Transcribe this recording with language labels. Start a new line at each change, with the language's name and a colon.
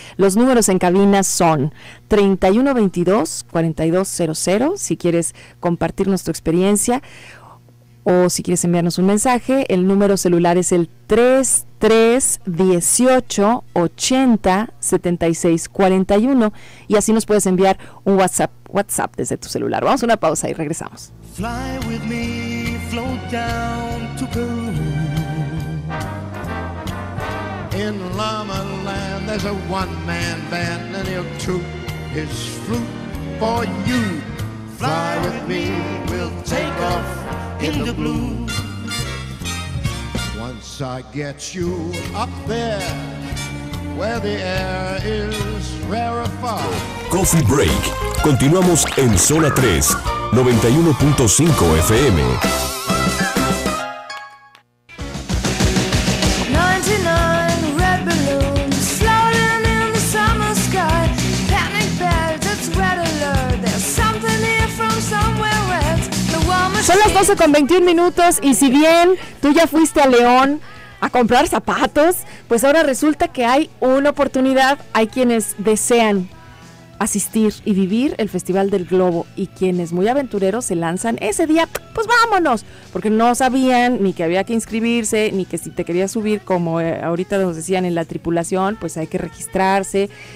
Spanish: Los números en cabina son 3122-4200, si quieres compartirnos tu experiencia, o si quieres enviarnos un mensaje, el número celular es el 3318807641, y así nos puedes enviar un WhatsApp desde tu celular. Vamos a una pausa y regresamos.
English: Fly with me, float down to Peru. In Llama Land, there's a one man band, and he'll toot his flute for you. Fly with me, we'll take off in the blue. Once I get you up there, where the air is rarefied.
Spanish: Coffee Break. Continuamos en Zona 3, 91.5 FM.
English: 99 red balloons floating in the summer sky. Panic bells, it's red alert. There's something here from somewhere else. The warmest.
Spanish: Son las 12:21 minutos, y si bien tú ya fuiste a León a comprar zapatos, pues ahora resulta que hay una oportunidad. Hay quienes desean asistir y vivir el Festival del Globo, y quienes muy aventureros se lanzan ese día, pues vámonos, porque no sabían ni que había que inscribirse, ni que si te querías subir, como ahorita nos decían, en la tripulación, pues hay que registrarse.